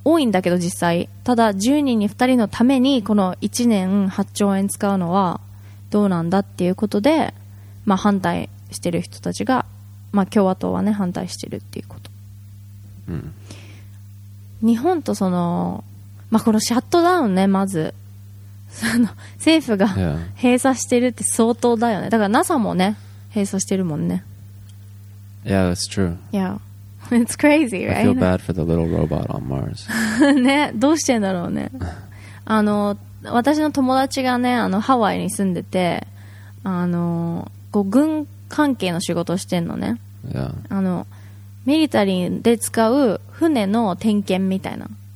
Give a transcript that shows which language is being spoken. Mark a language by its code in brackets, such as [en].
[ja] だけど、実際ただ10人に2人のためにこの1年8兆円使うのはどうなんだっていうことで、まあ、反対してる人たちが、まあ、共和党はね反対してるっていうこと、うん、日本とその、まあ、このシャットダウンね、まず政府が閉鎖してるって相当だよね。だから NASA もね閉鎖してるもんね。 [en] Yeah, that's true. Yeah. It's crazy, right? I feel bad for the little robot on Mars. [ja] ね、どうしてんだろうね。私の友達がね、ハワイに住んでて、こう軍関係の仕事してんのね。 [en] Yeah. [ja] ミリタリーで使う船の点検みたいな。